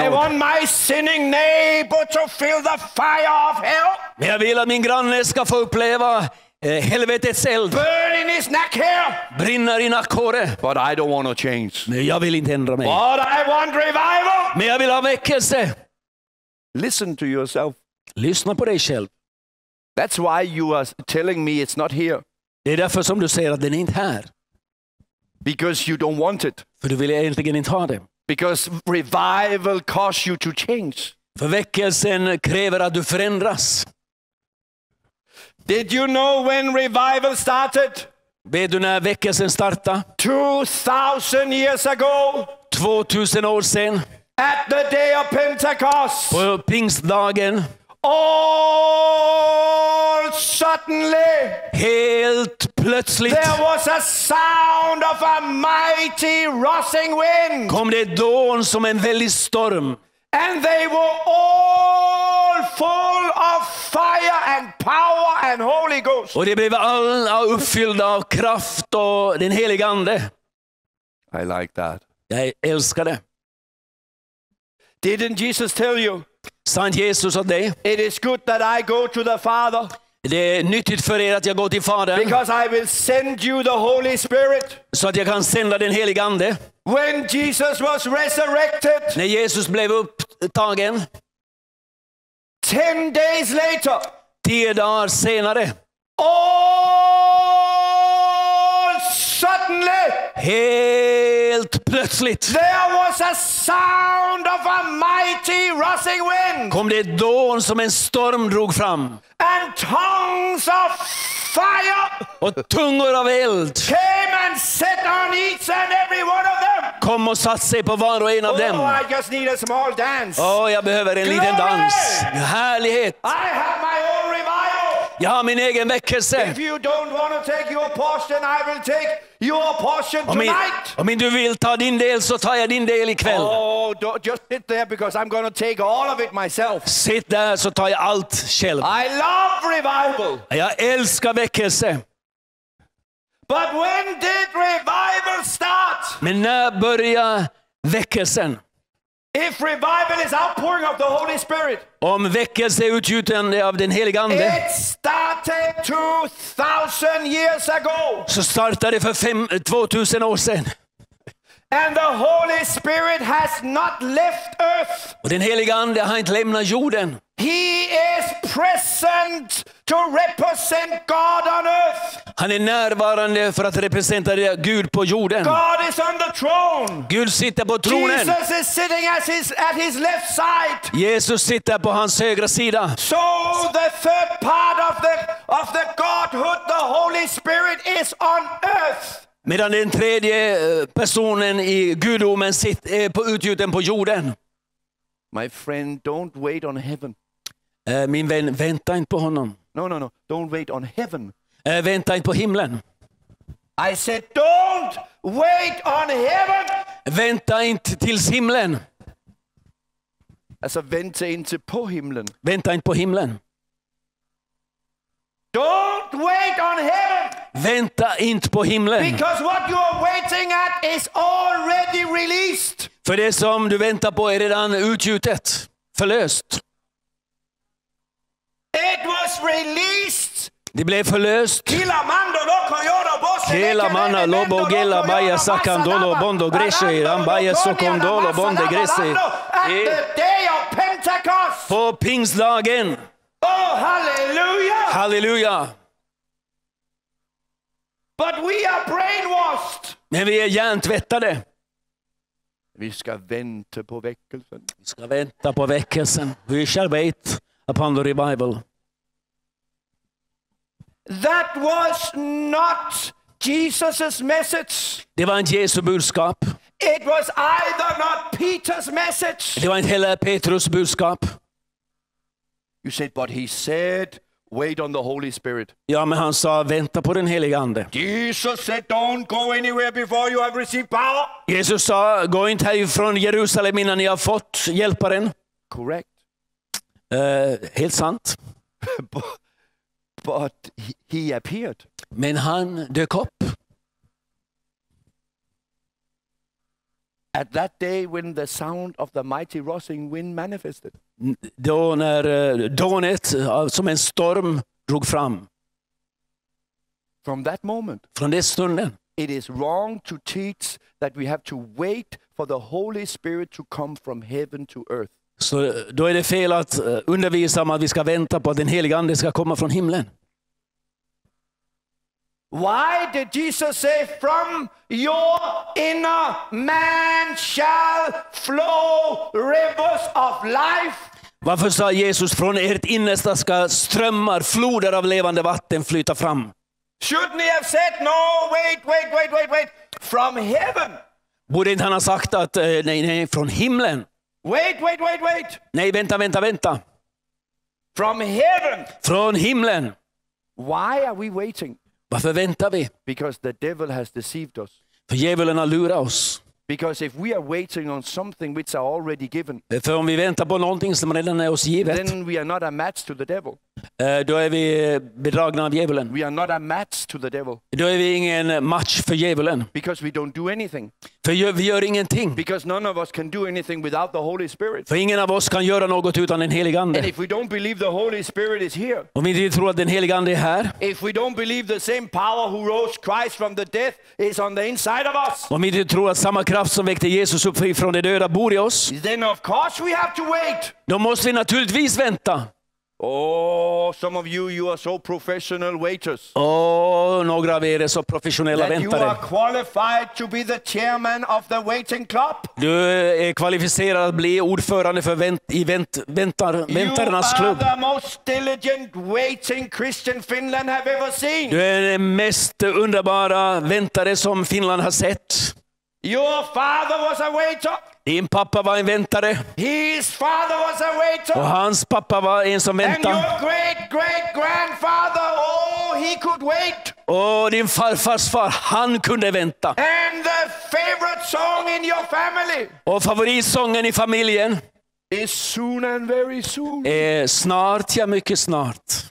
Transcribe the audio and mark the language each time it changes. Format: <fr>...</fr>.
<en>But I want my sinning neighbor to feel the fire of hell.</en> <sv>Men jag vill att min granne ska få uppleva helvetets eld.</sv> <en>Burn in his neck here.</en> <sv>Brinner i nackhåret.</sv> <en>But I don't want to change.</en> <sv>Men jag vill inte ändra mig.</sv> <en>But I want revival.</en> <sv>Men jag vill ha väckelse.</sv> <en>Listen to yourself.</en> <sv>Lyssna på dig själv.</sv> <en>That's why you are telling me it's not here.</en> <sv>Det är därför som du säger att den inte här.</sv> <en>Because you don't want it.</en> <sv>För du vill egentligen inte ha det.</sv> <en>Because revival costs you to change.</en> <sv>För väckelsen kräver att du förändras.</sv> <en>Did you know when revival started?</en> <sv>Vet du när väckelsen starta?</sv> <en>2000 years ago.</en> <sv>2000 år sedan.</sv> <en>At the day of Pentecost.</en> <sv>På pingstdagen.</sv> <en>All suddenly.</en> <sv>Helt plötsligt.</sv> <en>There was a sound of a mighty rushing wind.</en> <sv>Kom det dån som en väldig storm.</sv> <en>And they were all full of fire and power and Holy Ghost.</en> <sv>Och de blev alla uppfyllda av kraft och den helige ande.</sv> <en>I like that.</en> <sv>Jag älskar det.</sv> <en>Didn't Jesus tell you?</en> <sv>Sa inte Jesus åt dig?</sv> <en>It is good that I go to the Father.</en> <sv>Det är nyttigt för er att jag går till Fadern.</sv> <en>Because I will send you the Holy Spirit.</en> <sv>Så att jag kan sända den helige ande.</sv> <en>When Jesus was resurrected.</en> <sv>När Jesus blev upptagen.</sv> <en>10 days later.</en> <sv>10 dagar senare.</sv> <en>All suddenly.</en> <sv>Helt plötsligt.</sv> <en>There was a sound of a mighty rushing wind.</en> <sv>Kom det dån som en storm drog fram.</sv> <en>And tongues of fire.</en> <sv>Och tungor av eld.</sv> <en>Came and sat on each and every one of them.</en> <sv>Kom och satt sig på var och en av dem.</sv> <en>I just need a small dance.</en> <sv>Oh, jag behöver en liten dans. Härlighet.</sv> <en>I have my own revival.</en> <sv>Jag har min egen väckelse.</sv> <en>If you don't want to take your portion, I will take your portion tonight.</en> <sv>Om du vill ta din del, så tar jag din del ikväll.</sv> <en>Oh, don't just sit there because I'm going to take all of it myself.</en> <sv>Sitt där, så tar jag allt själv.</sv> <en>I love revival.</en> <sv>Jag älskar väckelse.</sv> <en>But when did revival start?</en> <sv>Men när började väckelsen?</sv> <en>If revival is outpouring of the Holy Spirit.</en> <sv>Om väckelse är utgjutande av den helige ande.</sv> <en>It started 2000 years ago.</en> <sv>Så startade det för 2000 år sedan.</sv> <en>And the Holy Spirit has not left earth.</en> <sv>Och den helige ande har inte lämnat jorden.</sv> <en>He is present to represent God on earth.</en> <sv>Han är närvarande för att representera Gud på jorden.</sv> <en>God is on the throne.</en> <sv>Gud sitter på tronen.</sv> <en>Jesus is sitting at his left side.</en> <sv>Jesus sitter på hans högra sida.</sv> <en>So the third part of the Godhood, the Holy Spirit, is on earth.</en> <sv>Medan den tredje personen i gudomen sitter på utgjuten på jorden.</sv> <en>My friend, don't wait on heaven.</en> <sv>Min vän, vänta inte på honom.</sv> <en>No. Don't wait on heaven.</en> <sv>Vänta inte på himlen.</sv> <en>I said, don't wait on heaven.</en> <sv>Vänta inte tills himlen. Alltså, vänta inte på himlen. Vänta inte på himlen.</sv> <en>Don't wait on heaven.</en> <sv>Vänta inte på himlen.</sv> <en>Because what you are waiting at is already released.</en> <sv>För det som du väntar på är redan utgjutet, förlöst.</sv> <en>It was released.</en> <sv>Det blev förlöst. Gila mando loco yoro bosse. Gila mana lobo gila baya sakandolo bondo grese iran baya sokondolo bondo grese.</sv> <en>The day of Pentecost.</en> <sv>På pingstdagen. Oh hallelujah. Hallelujah.</sv> <en>But we are brainwashed.</en> <sv>Men vi är hjärntvättade. Vi ska vänta på väckelsen. Vi ska vänta på väckelsen.</sv> <en>We shall wait upon the revival. That was not Jesus's message.</en> <sv>Det var inte Jesu budskap.</sv> <en>It was either not Peter's message.</en> <sv>Det var inte heller Petrus budskap.</sv> <en>You said, but he said, wait on the Holy Spirit.</en> <sv>Ja, men han sa, vänta på den helige ande.</sv> <en>Jesus said, don't go anywhere before you have received power.</en> <sv>Jesus sa, gå inte härifrån Jerusalem innan ni har fått hjälparen.</sv> <en>Correct.</en> <sv>Helt sant.</sv> <en>But he appeared.</en> <sv>Men han dök upp.</sv> <en>At that day when the sound of the mighty rushing wind manifested.</en> <sv>Då när dånet som en storm drog fram.</sv> <en>From that moment.</en> <sv>Från den stunden.</sv> <en>It is wrong to teach that we have to wait for the Holy Spirit to come from heaven to earth.</en> <sv>Så då är det fel att undervisa om att vi ska vänta på att den helige ande ska komma från himlen.</sv> <en>Why did Jesus say from your inner man shall flow rivers of life?</en> <sv>Varför sa Jesus från ert innersta ska strömmar, floder av levande vatten flyta fram?</sv> <en>Shouldn't he have said no, wait, from heaven?</en> <sv>Borde inte han ha sagt att nej, från himlen?</sv> <en>Wait.</en> <sv>Nej, vänta.</sv> <en>From heaven.</en> <sv>Från himlen.</sv> <en>Why are we waiting?</en> <sv>Varför väntar vi?</sv> <en>Because the devil has deceived us.</en> <sv>För djävulen har lurat oss.</sv> <en>Because if we are waiting on something which are already given.</en> <sv>För om vi väntar på någonting som redan är oss givet.</sv> <en>Then we are not a match to the devil.</en> <sv>Då är vi bedragna av djävulen.</sv> <en>We are not a match to the devil.</en> <sv>Då är vi ingen match för djävulen.</sv> <en>Because we don't do anything.</en> <sv>För vi gör ingenting.</sv> <en>Because none of us can do anything without the Holy Spirit.</en> <sv>För ingen av oss kan göra något utan den helige ande.</sv> <en>And if we don't believe the Holy Spirit is here.</en> <sv>Om vi inte tror att den helige ande är här.</sv> <en>If we don't believe the same power who rose Christ from the death is on the inside of us.</en> <sv>Om vi inte tror att samma kraft som väckte Jesus upp från de döda bor i oss.</sv> <en>Then of course we have to wait.</en> <sv>Då måste vi naturligtvis vänta.</sv> <en>Oh, some of you are so professional waiters.</en> <sv>Några av er är så professionella väntare.</sv> <en>You are qualified to be the chairman of the waiting club.</en> <sv>Du är kvalificerad att bli ordförande för väntarnas klubb.</sv> <en>You are the most diligent waiting Christian Finland have ever seen.</en> <sv>Du är den mest underbara väntare som Finland har sett.</sv> <en>Your father was a waiter.</en> <sv>Din pappa var en väntare.</sv> <en>His father was a waiter.</en> <sv>Och hans pappa var en som väntade.</sv> <en>And your great great grandfather, oh, he could wait.</en> <sv>Och din farfars far, han kunde vänta.</sv> <en>And the favorite song in your family.</en> <sv>Och favoritsången i familjen.</sv> <en>Is soon and very soon.</en> <sv>Är snart, ja, mycket snart.</sv>